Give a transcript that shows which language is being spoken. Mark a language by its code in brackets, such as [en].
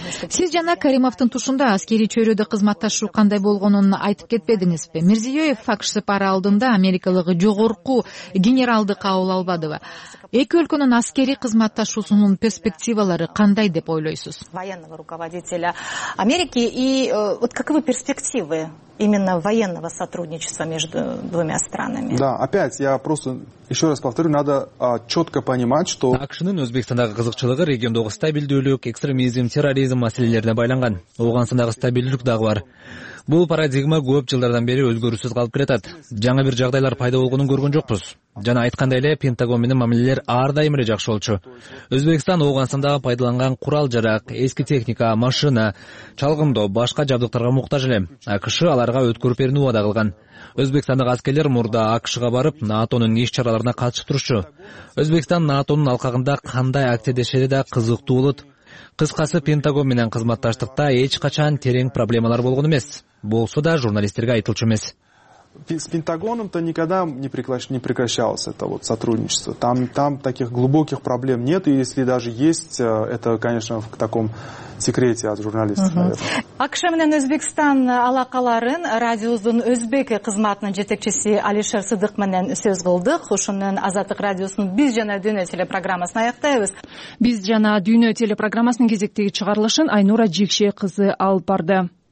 [ky] Сиз жана Каримовдун тушунда аскерий чөйрөдө кызматташуу кандай болгонун айтып кетпедиңизби? Мирзиёев факш сапары алдында америкалык жогорку генералды кабыл албадыбы? Эки өлкөнүн аскерий кызматташуусунун перспективалары кандай деп ойлойсуз? [ru] Военного руководителя Америки и вот каковы перспективы именно военного сотрудничества между двумя странами? Да, опять я просто еще раз повторю, надо четко понимать, что [ky] АКШ-нын Өзбекстандагы кызыкчылыгы региондогу стабилдүүлүк, экстремизм, терроризм маселелерине байланган. Ооганстандагы стабилдүүлүк дагы бар. Бул парадигма көп жылдардан бери өзгөрүүсүз калып келатат. Жаңы бир жагдайлар пайда болгонун көргөн жокпуз. Жана айткандай эле Пентагон менен мамилелер ар дайым эле жакшы болчу. Өзбекстан Ооганстанда пайдаланган курал-жарак, эски техника, машина, чалгындоо, башка жабдыктарга муктаж эле. АКШ аларга өткөрүп берүүнү убада кылган. Өзбекстандык аскерлер мурда АКШга барып, НАТОнун иш чараларына катышып турушчу. Өзбекстан НАТОнун алкагында кандай активдешери да кызыктуу болот. Кыскасы, Пентагон менен кызматташтыкта эч качан терең проблемалар болгон эмес. Болсо да журналисттерге айтылчу эмес. [ru] С Пентагоном-то никогда не прекращалось это вот сотрудничество. Там таких глубоких проблем нет, и если даже есть, это, конечно, в таком секрете от журналистов, наверное. [ky] АКШ менен Өзбекстан алакаларын радиосунун Өзбек кызматынын жетекчиси Алишер Сыдык менен сөз кылдык. Ушунун Азаттык радиосунун Биз жана Дүйнө телепрограммасын аяктайбыз. Биз жана Дүйнө телепрограммасынын кезектеги чыгарылышын Айнура Жекше кызы алып барды.